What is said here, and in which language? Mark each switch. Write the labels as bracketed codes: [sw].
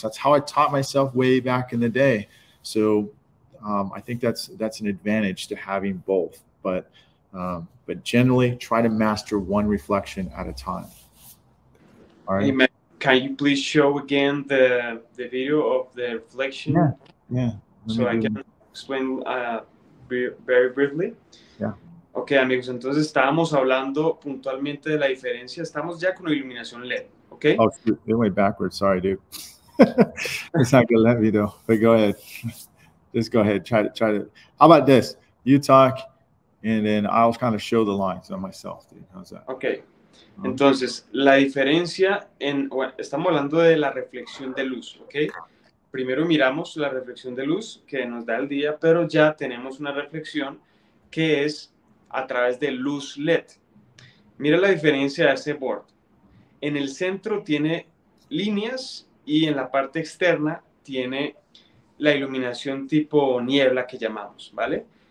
[en] That's how I taught myself way back in the day. So I think that's an advantage to having both. But generally, try to master one reflection at a time. All right. Hey, man, can you please show again the video of the reflection? Yeah, so I can explain very briefly. Yeah. [es] Okay, amigos, entonces estábamos hablando puntualmente de la diferencia. Estamos ya con iluminación LED, okay? [en] Oh, shoot. It went backwards. Sorry, dude. It's not gonna let me though, but go ahead. Just go ahead. Try to. How about this? You talk, and then I'll kind of show the lines on myself, dude. How's that? Okay. [es] Entonces, la diferencia en, bueno, estamos hablando de la reflexión de luz, ¿ok? Primero miramos la reflexión de luz que nos da el día, pero ya tenemos una reflexión que es a través de luz LED. Mira la diferencia de ese board. En el centro tiene líneas y en la parte externa tiene la iluminación tipo niebla que llamamos, ¿vale?